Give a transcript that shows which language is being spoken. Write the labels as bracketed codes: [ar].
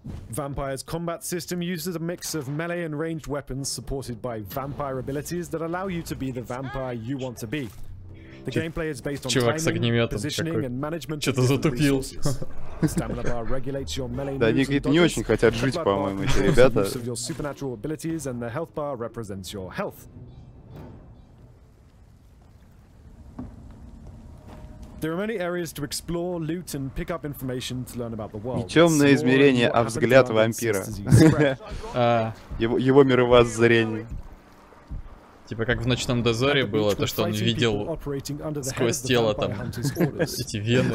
[en] Vampire's combat system uses a mix of melee and ranged weapons supported by vampire abilities that allow you to be the vampire you want to be. The gameplay is based on timing, positioning and management of different resources. Stamina bar regulates your melee moves and dodges. [ru] Да, они не очень хотят жить, по-моему, эти ребята. [en] The use of your supernatural abilities and the health bar represents your health. There are many areas to explore, loot and pick up information to learn about the world. [ru] Не темное измерение, а взгляд вампира. его мировоззрение. Типа как в ночном дозоре было, то что он видел сквозь тело там эти вены.